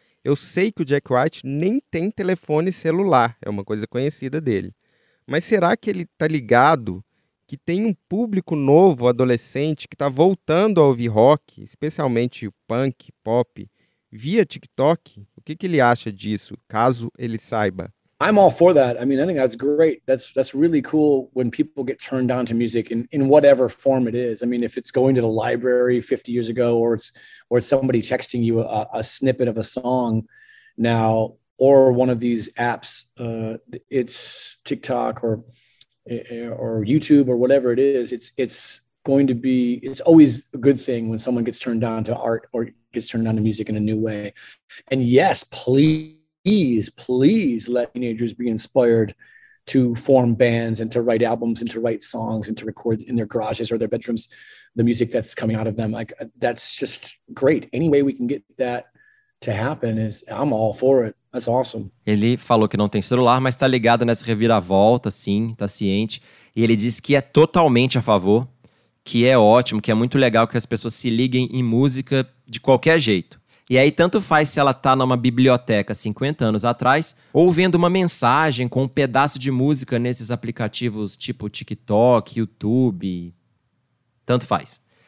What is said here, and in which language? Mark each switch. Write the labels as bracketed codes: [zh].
[pt] Eu sei que o Jack White nem tem telefone celular, é uma coisa conhecida dele. Mas será que ele está ligado que tem um público novo, adolescente, que está voltando a ouvir rock, especialmente punk, pop, via TikTok? O que, que ele acha disso, caso ele saiba? [en] I'm all for that. I mean, I think that's great. That's really cool when people get turned on to music in whatever form it is. I mean, if it's going to the library 50 years ago or it's somebody texting you a snippet of a song now or one of these apps, it's TikTok or YouTube or whatever it is, it's always a good thing when someone gets turned on to art or gets turned on to music in a new way. And yes, please let teenagers be inspired to form bands and to write albums and to write songs and to record in their garages or their bedrooms the music that's coming out of them. Like, that's just great. Any way we can get that to happen is, I'm all for it. That's awesome. [pt] Ele falou que não tem celular, mas tá ligado nessa reviravolta, sim, tá ciente. E ele disse que é totalmente a favor, que é ótimo, que é muito legal que as pessoas se liguem em música de qualquer jeito. E aí, tanto faz se ela tá numa biblioteca 50 anos atrás ou vendo uma mensagem com um pedaço de música nesses aplicativos tipo TikTok, YouTube, tanto faz.